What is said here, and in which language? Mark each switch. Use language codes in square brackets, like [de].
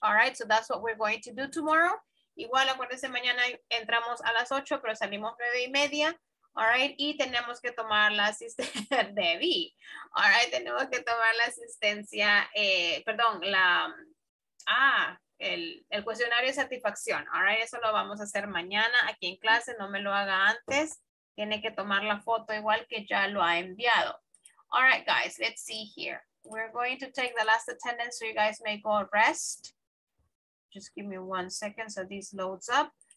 [en] All right, so that's what we're going to do tomorrow. [es] Igual, acuérdense, mañana entramos a las 8, pero salimos 9:30. All right, y tenemos que tomar la asistencia, Debbie. All right, tenemos que tomar la asistencia, el cuestionario de satisfacción. All right, eso lo vamos a hacer mañana aquí en clase, no me lo haga antes. Tiene que tomar la foto igual que ya lo ha enviado. [en] All right, guys, let's see here. We're going to take the last attendance so you guys may go rest. Just give me 1 second so this loads up.